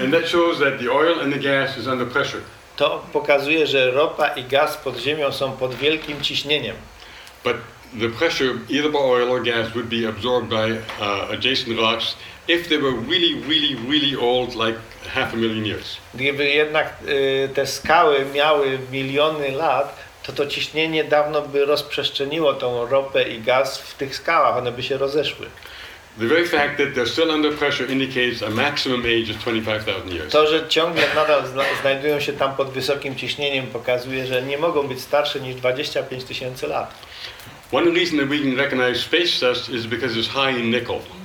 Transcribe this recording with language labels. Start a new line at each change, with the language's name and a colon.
English: And that shows that the oil and the gas is under pressure.
Polish: To pokazuje, że ropa i gaz pod ziemią są pod wielkim ciśnieniem.
English: But the pressure, either by oil or gas, would be absorbed by adjacent rocks if they were really, really, really old, like half a million years.
Polish: Gdyby jednak te skały miały miliony lat, to ciśnienie dawno by rozprzestrzeniło tą ropę i gaz w tych skałach, one by się rozeszły.
English: The very fact that they're still under pressure indicates a maximum age of 25,000 years.
Polish: To, że ciągle nadal znajdują się tam pod wysokim ciśnieniem, pokazuje, że nie mogą być starsze niż 25 tysięcy lat.
English: One reason that we can recognize space dust is because it's high in nickel.